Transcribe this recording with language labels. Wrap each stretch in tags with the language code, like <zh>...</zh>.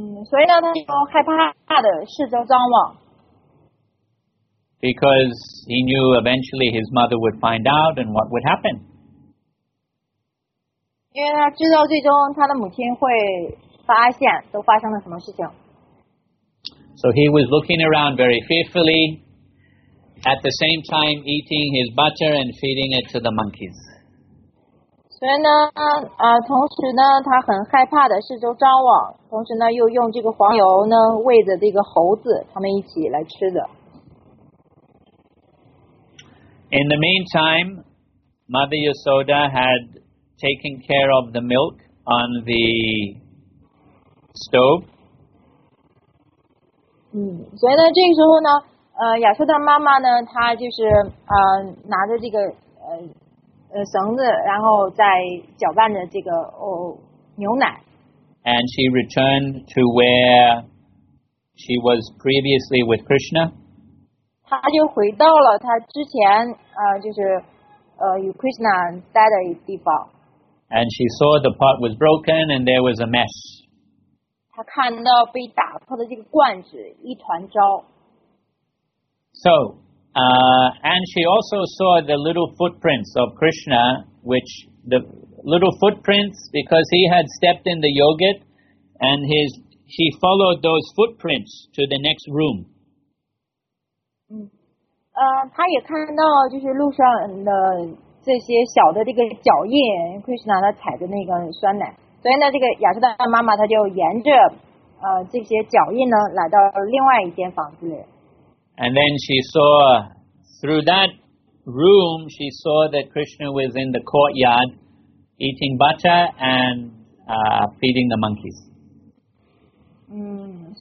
<zh>所以呢他就害怕的四周张望。</zh> <en>Because he knew eventually his mother would find out and what would happen.</en> <zh>因为他知道最终他的母亲会发现都发生了什么事情。</zh> <en>So he was looking around very fearfully, at the same time eating his butter and feeding it to the monkeys.</en> <zh>所以呢，同时呢，他很害怕的四周张望，同时呢，又用这个黄油呢喂着这个猴子，他们一起来吃的。</zh> <en>In the meantime, Mother Yasoda had. Taking care of the milk on the stove.</en> <zh>所以呢，这个时候呢，亚瑟的妈妈呢，她就是拿着这个绳子，然后在搅拌着这个牛奶。</zh> <en>And she returned to where she was previously with Krishna.</en> <zh>她就回到了她之前就是与 Krishna 待的地方。</zh> <en>And she saw the pot was broken and there was a mess.</en> <zh>她看到被打破的这个罐子一团糟。</zh> <en>So, and she also saw the little footprints of Krishna, which the little footprints, because he had stepped in the yogurt, and he followed those footprints to the next room.</en> <zh>她也看到就是路上的这些小的这个脚印， Krishna 他踩着那个酸奶，所以呢，这个亚瑟丹妈妈她就沿着这些脚印呢，来到另外一间房子里。</zh> <en>And then she saw, through that room, she saw that Krishna was in the courtyard eating bata and feeding the monkeys.</en>